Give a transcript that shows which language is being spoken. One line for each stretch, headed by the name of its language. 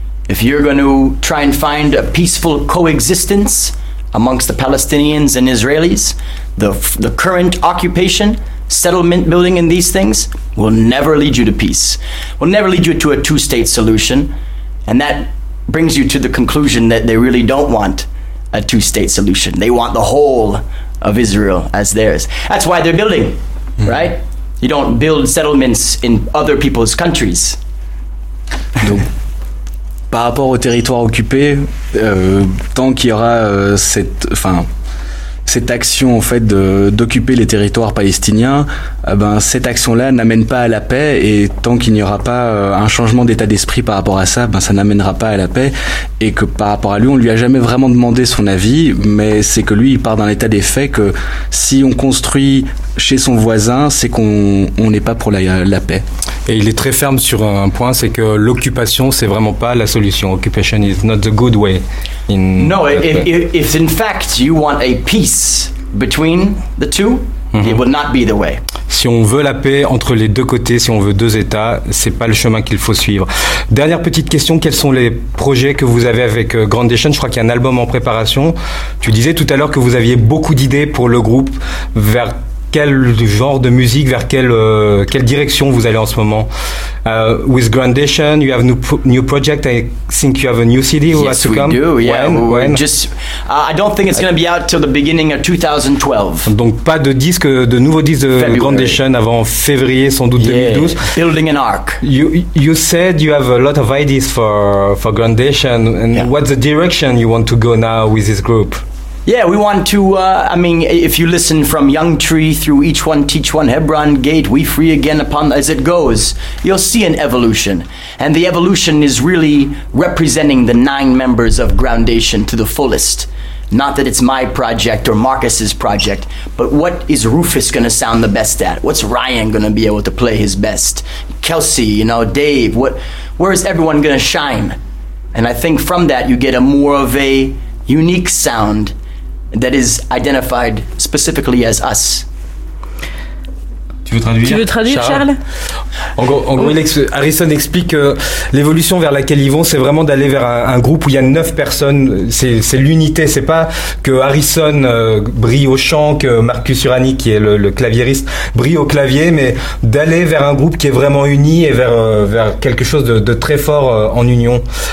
English: If you're going to try and find a peaceful coexistence amongst the Palestinians and Israelis, the current occupation, settlement building and these things will never lead you to peace, will never lead you to a two-state solution. And that brings you to the conclusion that they really don't want a two-state solution. They want the whole of Israel as theirs. That's why they're building, right? You don't build settlements in other people's countries.
French: Donc, par rapport au territoire occupé, tant qu'il y aura cette action en fait d'occuper les territoires palestiniens, cette action-là n'amène pas à la paix, et tant qu'il n'y aura pas un changement d'état d'esprit par rapport à ça, ça n'amènera pas à la paix. Et que par rapport à lui, on lui a jamais vraiment demandé son avis, mais c'est que lui, il part d'un état des faits que si on construit chez son voisin, c'est qu'on n'est pas pour la paix. Et il est très ferme sur un point, c'est que l'occupation, c'est vraiment pas la solution.
English: Occupation is not the good way. If in fact you want a peace between the two, it will not be the way.
French: Si on veut la paix entre les deux côtés, si on veut deux États, c'est pas le chemin qu'il faut suivre. Dernière petite question, quels sont les projets que vous avez avec Grand Nation? Je crois qu'il y a un album en préparation. Tu disais tout à l'heure que vous aviez beaucoup d'idées pour le groupe. Vers quel genre de musique, vers quelle direction vous allez en ce moment?
English: With Grand Nation, you have new project. I think you have a new CD. Yes, has to we come. Do. Yeah. When? Just, I don't think it's going to be out till the beginning of 2012.
French: Donc pas de disque, de nouveau disque de Grand Nation avant février, sans doute 2012.
English: Building an arc. You said you have a lot of ideas for Grand Nation. And what's the direction you want to go now with this group? Yeah, we want to, if you listen from Young Tree through Each One Teach One, Hebron Gate, We Free Again Upon As It Goes, you'll see an evolution. And the evolution is really representing the 9 members of Groundation to the fullest. Not that it's my project or Marcus's project, but what is Rufus going to sound the best at? What's Ryan going to be able to play his best? Kelsey, you know, Dave, where is everyone going to shine? And I think from that you get a more of a unique sound that is identified specifically as us.
French: Tu veux traduire Charles? En gros, Harrison explique que l'évolution vers laquelle ils vont, c'est vraiment d'aller vers un groupe où il y a 9 personnes. C'est l'unité. C'est pas que Harrison brille au chant, que Marcus Urani, qui est le claviériste, brille au clavier, mais d'aller vers un groupe qui est vraiment uni et vers quelque chose de très fort en union.